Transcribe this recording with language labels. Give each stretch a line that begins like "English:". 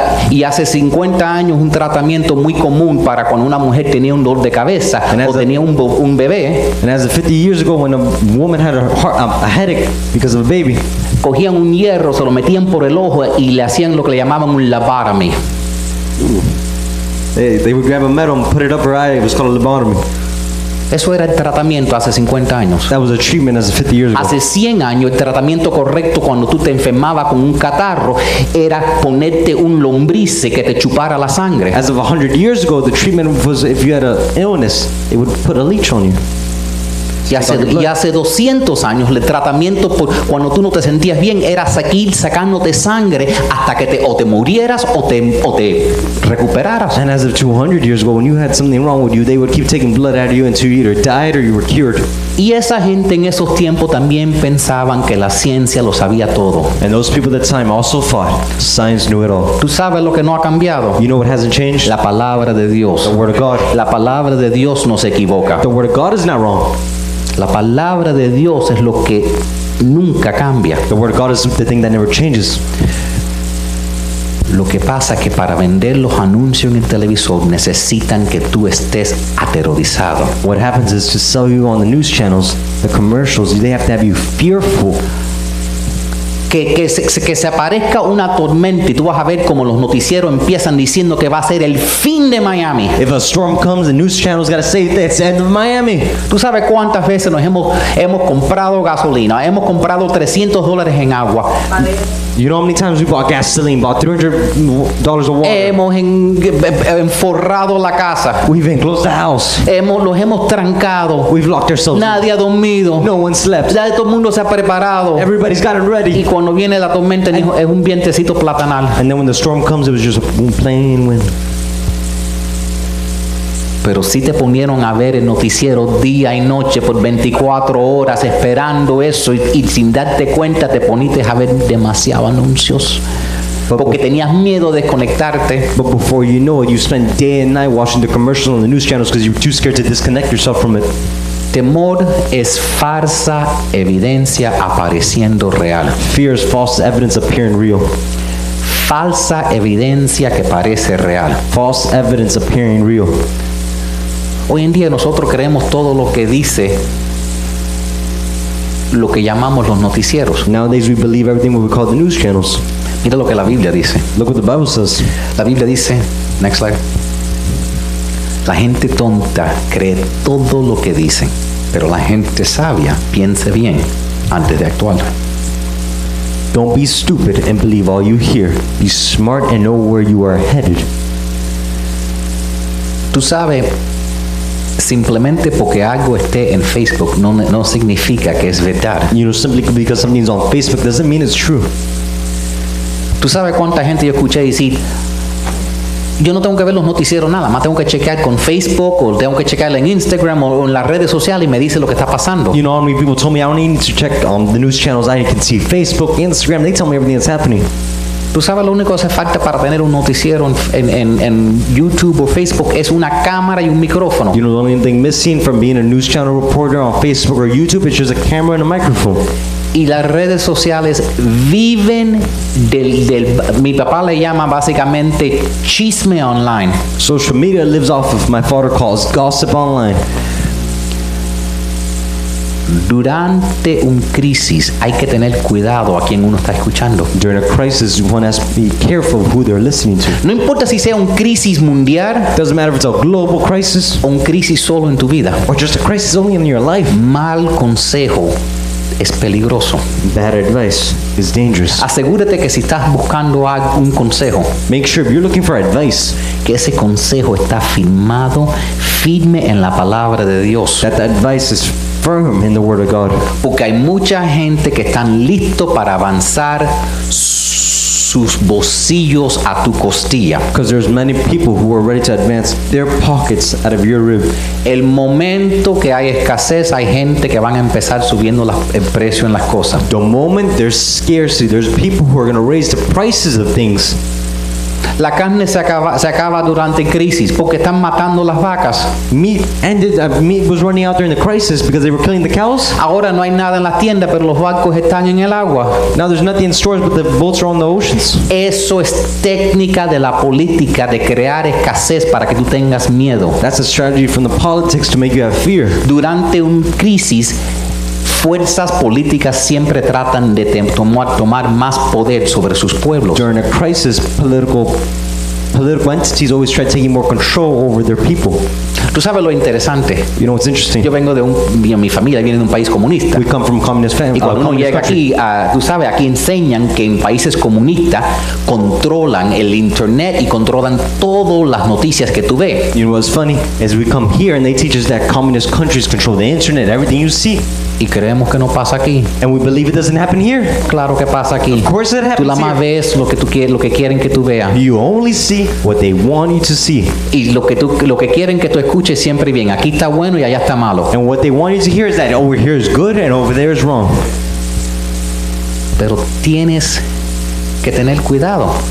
Spanish: Y hace 50 años un tratamiento muy común para cuando una mujer tenía un dolor de cabeza o tenía un bebé.
English: And as 50 years ago when a woman had a headache because of a baby,
Spanish: cogían un hierro, se lo metían por el ojo y le hacían lo que le llamaban un lobotomy.
English: They would grab a metal and put it up her eye. It was called a lobotomy.
Spanish: Eso era el tratamiento hace 50 años.
English: That was a treatment as 50 years ago.
Spanish: Hace 100 años el tratamiento correcto cuando tú te enfermabas con un catarro era ponerte un lombrice que te chupara la sangre.
English: As of 100 years ago, the treatment was if you had an illness, it would put a leech on you.
Spanish: Y hace 200 años el tratamiento por cuando tú no te sentías bien era seguir sacándote sangre hasta que te murieras o te recuperaras.
English: And as of 200 years ago, when you had something wrong with you, they would keep taking blood out of you until you either died or you were cured.
Spanish: Y esa gente en esos tiempos también pensaban que la ciencia lo sabía todo.
English: And those people at that time also thought science knew it all.
Spanish: ¿Tú sabes lo que no ha cambiado?
English: You know what hasn't changed?
Spanish: La palabra de Dios.
English: The word of God.
Spanish: La palabra de Dios no se equivoca.
English: The word of God is not wrong.
Spanish: La palabra de Dios es lo que nunca cambia.
English: The word of God is the thing that never changes.
Spanish: Lo que pasa es que para vender los anuncios en el televisor necesitan que tú estés aterrorizado.
English: What happens is to sell you on the news channels, the commercials, they have to have you fearful.
Spanish: que se aparezca una tormenta y tú vas a ver como los noticieros empiezan diciendo que va a ser el fin de Miami.
English: If a storm comes, the news channel's gotta say it's the end of Miami.
Spanish: Tú sabes cuántas veces nos hemos comprado gasolina, hemos comprado $300 en agua.
English: You know how many times we bought gasoline, bought $300 of water.
Spanish: Hemos enforrado la casa.
English: We've enclosed the house.
Spanish: Los hemos trancado.
English: We've locked ourselves.
Spanish: Nadie ha dormido.
English: No one slept.
Spanish: Ya todo el mundo se ha preparado.
English: Everybody's gotten ready.
Spanish: Y cuando viene la tormenta, es un vientecito platanal.
English: And then when the storm comes, it was just a plain wind.
Spanish: Pero si te ponieron a ver el noticiero día y noche por 24 horas esperando eso y sin darte cuenta te poniste a ver demasiados anuncios porque tenías miedo de desconectarte.
English: But before you know it, you spent day and night watching the commercials on the news channels because you're too scared to disconnect yourself from it.
Spanish: Temor es falsa evidencia apareciendo real.
English: Fear is false evidence appearing real.
Spanish: Falsa evidencia que parece real.
English: False evidence appearing real.
Spanish: Hoy en día nosotros creemos todo lo que dice lo que llamamos los noticieros.
English: Nowadays we believe everything we call the news channels.
Spanish: Mira lo que la Biblia dice.
English: Look what the Bible says.
Spanish: La Biblia dice,
English: next slide.
Spanish: La gente tonta cree todo lo que dicen, pero la gente sabia piense bien antes de actuar.
English: Don't be stupid and believe all you hear. Be smart and know where you are headed.
Spanish: Tú sabes, simplemente porque algo esté en Facebook no significa que es verdad.
English: You know, simply because something's on Facebook doesn't mean it's true.
Spanish: Tú sabes cuánta gente yo escuché decir, yo no tengo que ver los noticieros nada, más tengo que chequear con Facebook o tengo que chequear en Instagram o en las redes sociales y me dice lo que está pasando.
English: You know, how many people told me I don't need to check on the news channels. I can see Facebook, Instagram. They tell me everything that's happening.
Spanish: Tú sabes, lo único que hace falta para tener un noticiero en YouTube o Facebook es una cámara y un micrófono.
English: You know, the only thing missing from being a news channel reporter on Facebook or YouTube is just a camera and a microphone.
Spanish: Y las redes sociales viven del mi papá le llama básicamente chisme online.
English: Social media lives off of, my father calls, gossip online.
Spanish: Durante un crisis hay que tener cuidado a quien uno está escuchando.
English: During a crisis, one has to be careful who they're listening to.
Spanish: No importa si sea un crisis mundial.
English: Doesn't matter if it's a global crisis.
Spanish: O un crisis solo en tu vida.
English: Or just a crisis only in your life.
Spanish: Mal consejo es peligroso.
English: Bad advice is dangerous.
Spanish: Asegúrate que si estás buscando algún consejo,
English: make sure if you're looking for advice,
Spanish: que ese consejo está firmado, firme en la palabra de Dios.
English: That the advice is firm in the word of God.
Spanish: Porque hay mucha gente que están listo para avanzar sus bolsillos a tu costilla.
English: Because there's many people who are ready to advance their pockets out of your rib.
Spanish: El momento que hay escasez, hay gente que van a empezar subiendo el precio en las cosas.
English: The moment there's scarcity, there's people who are going to raise the prices of things.
Spanish: La carne se acaba durante crisis porque están matando las vacas.
English: Meat was running out during the crisis because they were killing the cows.
Spanish: Ahora no hay nada en las tiendas, pero los barcos están en el agua.
English: Now there's nothing in stores, but the boats are on the oceans.
Spanish: Eso es técnica de la política de crear escasez para que tú tengas miedo.
English: That's a strategy from the politics to make you have fear.
Spanish: Durante un crisis, fuerzas políticas siempre tratan de tomar más poder sobre sus pueblos.
English: During a crisis, political entities always try taking more control over their people.
Spanish: ¿Tú sabes lo interesante?
English: You know what's interesting?
Spanish: Yo vengo de mi familia viene de un país comunista.
English: We come from communist family.
Spanish: Y cuando uno llega aquí, tú sabes, aquí enseñan que en países comunistas controlan el internet y controlan todas las noticias que tú ves.
English: You know what's funny? As we come here and they teach us that communist countries control the internet, everything you see.
Spanish: Y creemos que no pasa aquí.
English: And we believe it doesn't happen here.
Spanish: Claro que pasa aquí.
English: Of course it happens here.
Spanish: Tú la más ves lo que tú quieres, lo que quieren que tú veas.
English: You only see what they want you to see.
Spanish: Y lo que quieren que tú escuches siempre bien. Aquí está bueno y allá está malo.
English: And what they want you to hear is that over here is good and over there is wrong.
Spanish: Pero tienes que tener cuidado.